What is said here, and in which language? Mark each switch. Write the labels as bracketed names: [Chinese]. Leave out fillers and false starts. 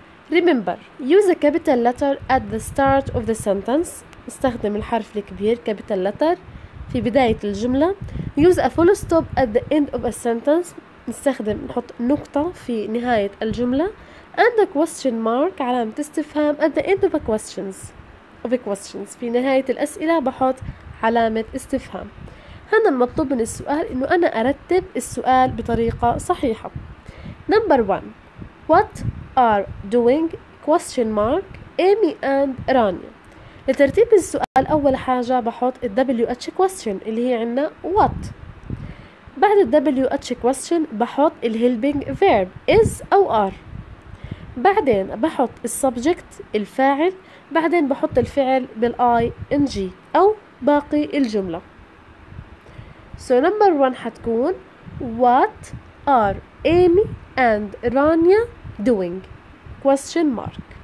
[English] Remember, use a capital letter at the start of the sentence. [Arabic] استخدم الحرف الكبير [English] capital letter [Arabic] في بداية الجملة. [English] Use a full stop at the end of a sentence. [Arabic] نستخدم نحط نقطة في نهاية الجملة. [English] And a question mark، [Arabic] علامة استفهام، [English] at the end of a questions. Of a questions، [Arabic] في نهاية الأسئلة بحط علامة استفهام. هنا المطلوب من السؤال إنه أنا أرتب السؤال بطريقة صحيحة. [English] Number one. What are doing؟ Question mark. Amy and Rania. [Arabic] لترتيب السؤال أول حاجة بحط الـ WH question اللي هي عنا what. بعد الـ WH question بحط الـ helping verb is أو are. بعدين بحط السبجكت الفاعل، بعدين بحط الفعل بالاي ان جي او باقي الجمله. [English] So number 1 [Arabic] حتكون [English] what are Amy and Rania doing question mark.